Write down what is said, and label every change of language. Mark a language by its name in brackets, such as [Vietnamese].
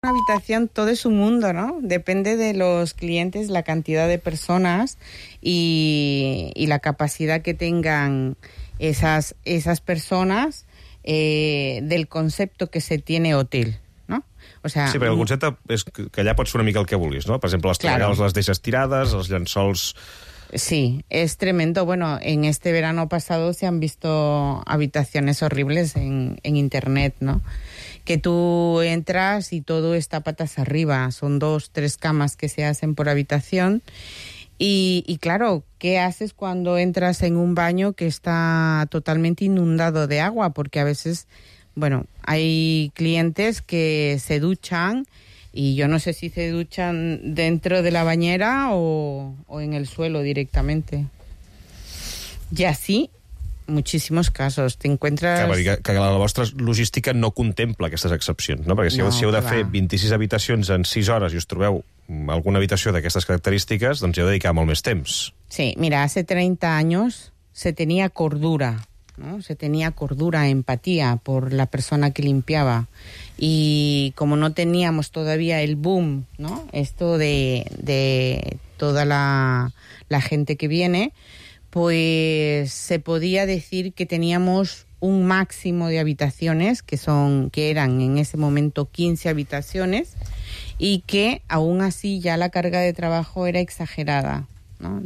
[Spanish] habitación todo es un mundo, ¿no? Depende de los clientes, la cantidad de personas y la capacidad que tengan esas personas del concepto que se tiene hotel, ¿no? [Catalan] O sea, sí, perquè el concepte és que allà pots fer una mica el que vulguis, ¿no? Per exemple, les tregals, claro, les deixes tirades, els llençols... [Spanish] Sí, es tremendo. Bueno, en este verano pasado se han visto habitaciones horribles en internet, ¿no? Que tú entras y todo está patas arriba. Son 2-3 camas que se hacen por habitación. Y claro, ¿qué haces cuando entras en un baño que está totalmente inundado de agua? Porque a veces, bueno, hay clientes que se duchan. Y yo no sé si se duchan dentro de la bañera o en el suelo directamente. Y así, muchísimos casos. Te encuentras... [Catalan] Que la vostra logística no contempla aquestes excepcions, no? Perquè si, no, si heu de fer 26 habitacions en 6 hores i us trobeu alguna habitació d'aquestes característiques, doncs hi heu de dedicar molt més temps. [Spanish] Sí, mira, hace 30 años se tenía cordura, ¿no? Se tenía cordura, empatía por la persona que limpiaba. Y como no teníamos todavía el boom, ¿no? Esto de toda la gente que viene, pues se podía decir que teníamos un máximo de habitaciones, que eran en ese momento 15 habitaciones, y que aún así ya la carga de trabajo era exagerada, ¿no?